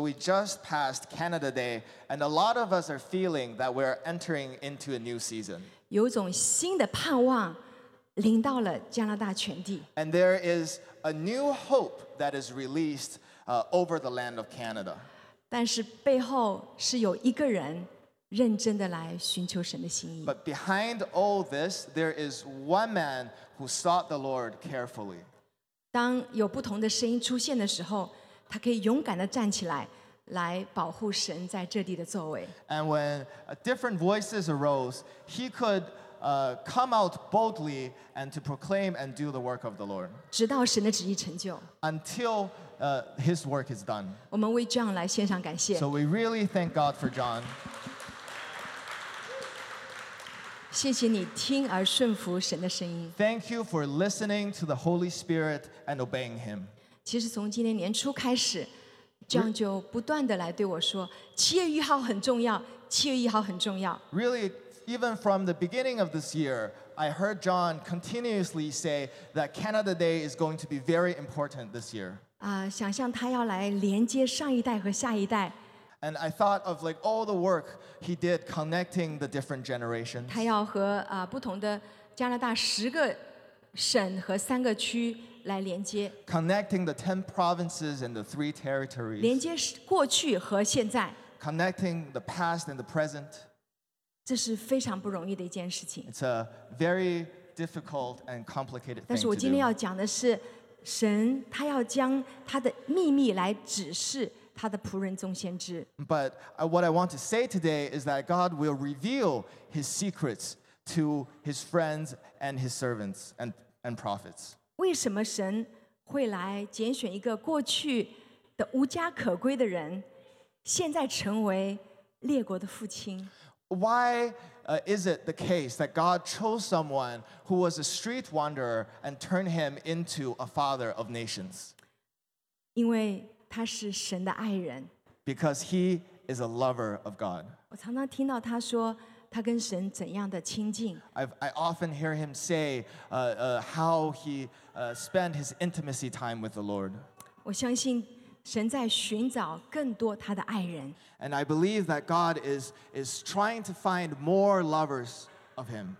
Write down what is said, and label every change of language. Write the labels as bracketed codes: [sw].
[en] we just passed Canada Day, and a lot of us are feeling that we're entering into a new season. [zh] 有种新的盼望临到了加拿大全地。 [en] And there is a new hope that is released over the land of Canada. [zh] 但是背后是有一个人。 [en] But behind all this, there is one man who sought the Lord carefully. [zh] 当有不同的声音出现的时候，他可以勇敢地站起来，来保护神在这地的作为。 [en] And when different voices arose, he could come out boldly and to proclaim and do the work of the Lord. [zh] 直到神的旨意成就。 [en] Until his work is done. [zh] 我们为 John 来献上感谢。 [en] So we really thank God for John. [zh] 谢谢你听而顺服神的声音。 [en] Thank you for listening to the Holy Spirit and obeying him. [zh] 其实从今年年初开始 John 就不断地来对我说7月1号很重要7月1号很重要 [en] Really, even from the beginning of this year,I heard John continuously say that Canada Day is going to be very important this year. [zh] 想象他要来连接上一代和下一代。 [en] And I thought of like all the work he did connecting the different generations. [zh] 他要和不同的加拿大十个省和三个区来连接。 [en] Connecting the 10 provinces and the 3 territories. [zh] 连接过去和现在。 [en] Connecting the past and the present. [zh] 这是非常不容易的一件事情。 [en] It's a very difficult and complicated thing. [zh] 但是我今天要讲的是，神他要将他的秘密来指示他的仆人众先知。 [en] But what I want to say today is that God will reveal His secrets to His friends and His servants and prophets. [zh] 为什么神会来拣选一个过去的无家可归的人，现在成为列国的父亲？ [en] Why is it the case that God chose someone who was a street wanderer and turned him into a father of nations? [zh] 因为他是神的爱人。 [en] Because he is a lover of God. [zh] 我常常听到他说他跟神怎样的亲近。 [en] I often hear him say how he spent his intimacy time with the Lord. [zh] 我相信神在寻找更多他的爱人。 [en] And I believe that God is trying to find more lovers of him.